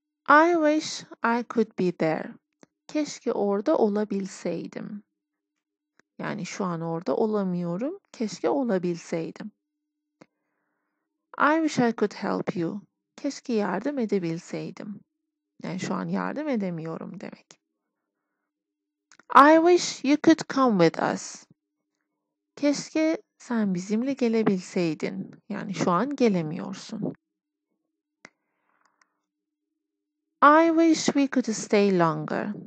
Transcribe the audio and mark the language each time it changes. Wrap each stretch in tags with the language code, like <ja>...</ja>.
<en>I wish I could be there.</en> <tr>Keşke orada olabilseydim. Yani şu an orada olamıyorum. Keşke olabilseydim.</tr> <en>I wish I could help you.</en> <tr>Keşke yardım edebilseydim. Yani şu an yardım edemiyorum demek.</tr> <en>I wish you could come with us.</en> <tr>Keşke sen bizimle gelebilseydin. Yani şu an gelemiyorsun.</tr> <en>I wish we could stay longer.</en>